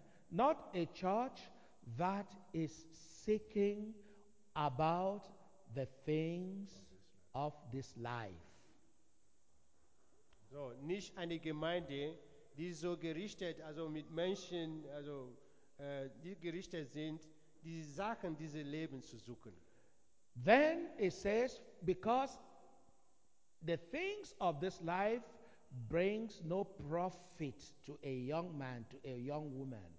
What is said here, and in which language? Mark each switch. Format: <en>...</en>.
<en>Not a church that is seeking about the things of this life.</en> <de>So, nicht eine Gemeinde, die so gerichtet, also mit Menschen, also die gerichtet sind, die Sachen dieses Lebens zu suchen.</de> <en>Then it says, because the things of this life brings no profit to a young man, to a young woman.</en>